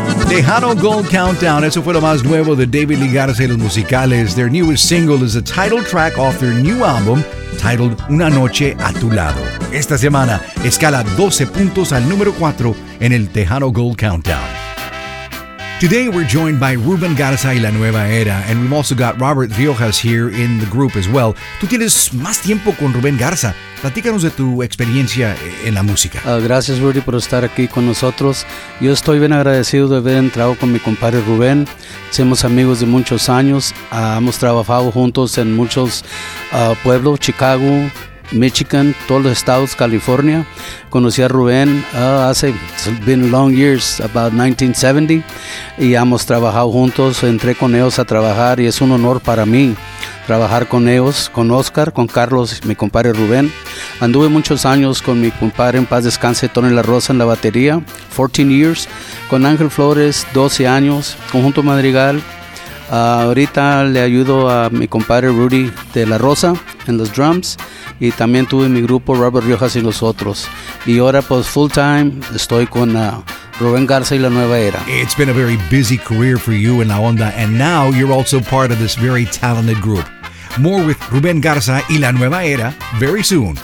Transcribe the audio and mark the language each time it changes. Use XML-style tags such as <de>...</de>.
<es>Tejano Gold Countdown, eso fue lo más nuevo de David Ligarza y los musicales.</es> <en>Their newest single is the title track off their new album, titled Una Noche a Tu Lado.</en> <es>Esta semana, escala 12 puntos al número 4 en el Tejano Gold Countdown.</es> <en>Today we're joined by Ruben Garza y La Nueva Era, and we've also got Robert Riojas here in the group as well.</en> <es>Tú tienes más tiempo con Ruben Garza. Platícanos de tu experiencia en la música. Gracias, Rudy, por estar aquí con nosotros. Yo estoy bien agradecido de haber entrado con mi compadre Rubén. Somos amigos de muchos años. Hemos trabajado juntos en muchos pueblos, Chicago, Michigan, todos los estados, California. Conocí a Rubén hace,</es> <en>it's been long years,</en> <es>about 1970, y hemos trabajado juntos. Entré con ellos a trabajar y es un honor para mí trabajar con ellos, con Oscar, con Carlos, mi compadre Rubén. Anduve muchos años con mi compadre, en paz descanse, Tony La Rosa, en la batería,</es> <en>14 years,</en> <es>con Ángel Flores, 12 años, Conjunto Madrigal. Ahorita le ayudo a mi compadre Rudy de La Rosa en los drums, y también tuve mi grupo Robert Riojas y los otros, y ahora pues full time estoy con Rubén Garza y La Nueva Era.</es> <en>It's been a very busy career for you and La Onda, and now you're also part of this very talented group. More with Rubén Garza y La Nueva Era very soon.</en>